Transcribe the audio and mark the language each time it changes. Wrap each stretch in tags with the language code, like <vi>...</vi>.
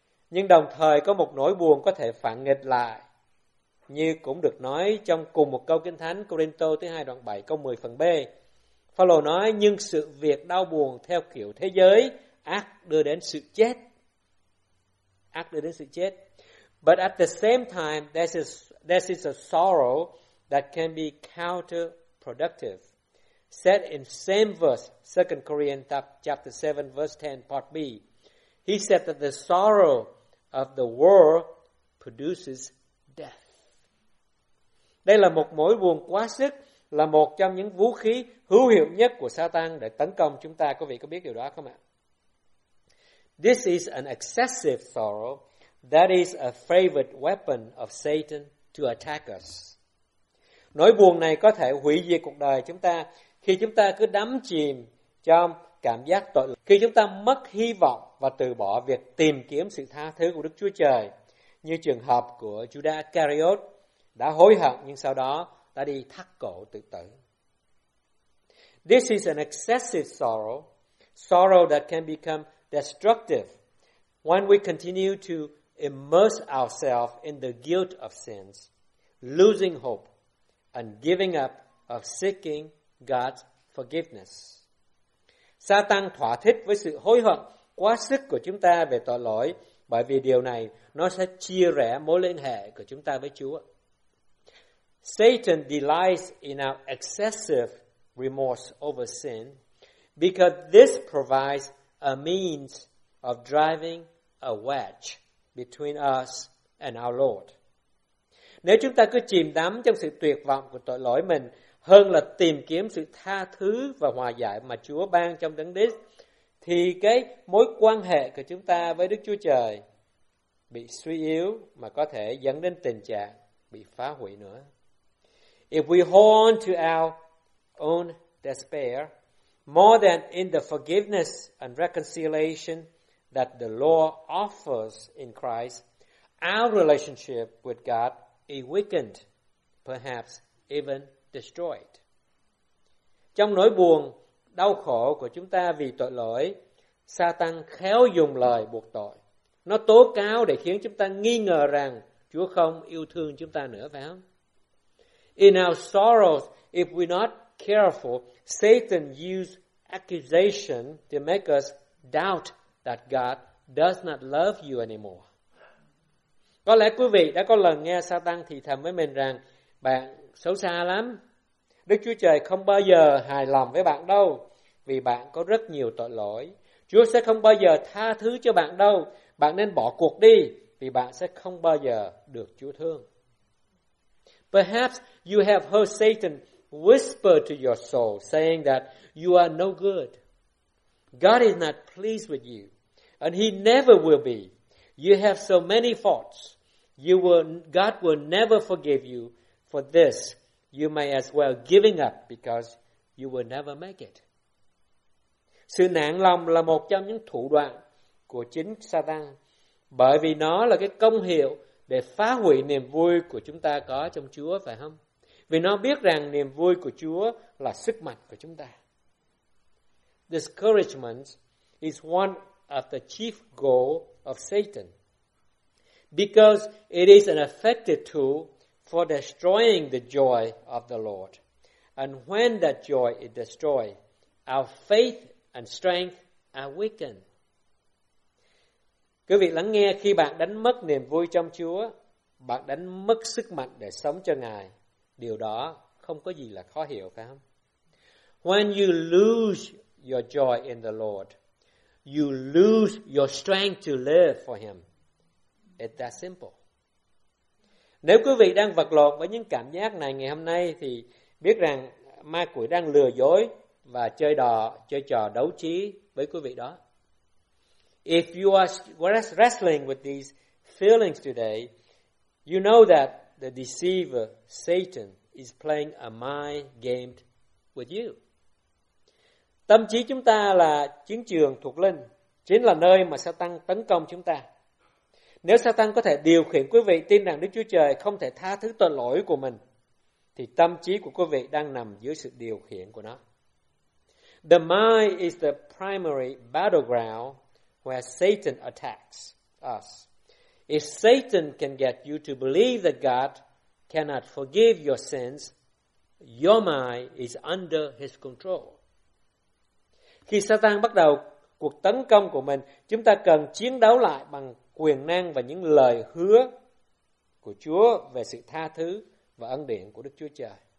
<vi>Nhưng đồng thời có một nỗi buồn có thể phản nghịch lại, như cũng được nói trong cùng một câu kinh thánh Corinto thứ 2 đoạn 7 câu 10 phần B. Phaolô nói, nhưng sự việc đau buồn theo kiểu thế giới, ác đưa đến sự chết. Ác đưa đến sự chết.</vi> <en>But at the same time, there is a sorrow that can be counterproductive. Said in same verse, 2 Corinthians chapter 7, verse 10, part B. He said that the sorrow of the world produces death.</en> <vi>Đây là một mối buồn quá sức, là một trong những vũ khí hữu hiệu nhất của Satan để tấn công chúng ta. Quý vị có biết điều đó không ạ?</vi> <en>This is an excessive sorrow that is a favorite weapon of Satan to attack us.</en> <vi>Nỗi buồn này có thể hủy diệt cuộc đời chúng ta khi chúng ta cứ đắm chìm trong cảm giác tội lỗi, khi chúng ta mất hy vọng và từ bỏ việc tìm kiếm sự tha thứ của Đức Chúa Trời, như trường hợp của Judas Iscariot đã hối hận nhưng sau đó đã đi thắt cổ tự tử.</vi> <en>This is an excessive sorrow, sorrow that can become destructive when we continue to immerse ourselves in the guilt of sins, losing hope and giving up of seeking God's forgiveness.</en> <vi>Satan thỏa thích với sự hối hận quá sức của chúng ta về tội lỗi, bởi vì điều này nó sẽ chia rẽ mối liên hệ của chúng ta với Chúa.</vi> <en>Satan delights in our excessive remorse over sin because this provides a means of driving a wedge between us and our Lord.</en> <vi>Nếu chúng ta cứ chìm đắm trong sự tuyệt vọng của tội lỗi mình hơn là tìm kiếm sự tha thứ và hòa giải mà Chúa ban trong Đấng Christ, thì cái mối quan hệ của chúng ta với Đức Chúa Trời bị suy yếu, mà có thể dẫn đến tình trạng bị phá hủy nữa.</vi> <en>If we hold on to our own despair more than in the forgiveness and reconciliation that the law offers in Christ, our relationship with God is weakened, perhaps even destroyed.</en> <vi>Trong nỗi buồn, đau khổ của chúng ta vì tội lỗi, Satan khéo dùng lời buộc tội. Nó tố cáo để khiến chúng ta nghi ngờ rằng Chúa không yêu thương chúng ta nữa, phải không?</vi> <en>In our sorrows, if we're not careful, Satan uses accusation to make us doubt that God does not love you anymore.</en> <vi>Có lẽ quý vị đã có lần nghe Satan thì thầm với mình rằng bạn xấu xa lắm, Đức Chúa Trời không bao giờ hài lòng với bạn đâu, vì bạn có rất nhiều tội lỗi. Chúa sẽ không bao giờ tha thứ cho bạn đâu, bạn nên bỏ cuộc đi, vì bạn sẽ không bao giờ được Chúa thương.</vi> <en>Perhaps you have heard Satan whisper to your soul saying that you are no good. God is not pleased with you, and he never will be. You have so many faults. God will never forgive you for this. You may as well giving up because you will never make it.</en> <vi>Sự nản lòng là một trong những thủ đoạn của chính Satan, bởi vì nó là cái công hiệu để phá hủy niềm vui của chúng ta có trong Chúa, phải không? Vì nó biết rằng niềm vui của Chúa là sức mạnh của chúng ta.</vi> <en>Discouragement is one of the chief goals of Satan because it is an effective tool for destroying the joy of the Lord. And when that joy is destroyed, our faith and strength are weakened.</en> <vi>Quý vị lắng nghe, khi bạn đánh mất niềm vui trong Chúa, bạn đánh mất sức mạnh để sống cho Ngài. Điều đó không có gì là khó hiểu, phải không?</vi> <en>When you lose your joy in the Lord, you lose your strength to live for Him. It's that simple.</en> <vi>Nếu quý vị đang vật lộn với những cảm giác này ngày hôm nay thì biết rằng ma quỷ đang lừa dối và chơi trò đấu trí với quý vị đó.</vi> <en>If you are wrestling with these feelings today, you know that the deceiver Satan is playing a mind game with you.</en> <vi>Tâm trí chúng ta là chiến trường thuộc linh, chính là nơi mà Satan tấn công chúng ta. Nếu Satan có thể điều khiển quý vị tin rằng Đức Chúa Trời không thể tha thứ tội lỗi của mình, thì tâm trí của quý vị đang nằm dưới sự điều khiển của nó.</vi> <en>The mind is the primary battleground where Satan attacks us. If Satan can get you to believe that God cannot forgive your sins, your mind is under his control.</en> <vi>Khi Satan bắt đầu cuộc tấn công của mình, chúng ta cần chiến đấu lại bằng quyền năng và những lời hứa của Chúa về sự tha thứ và ân điển của Đức Chúa Trời.</vi>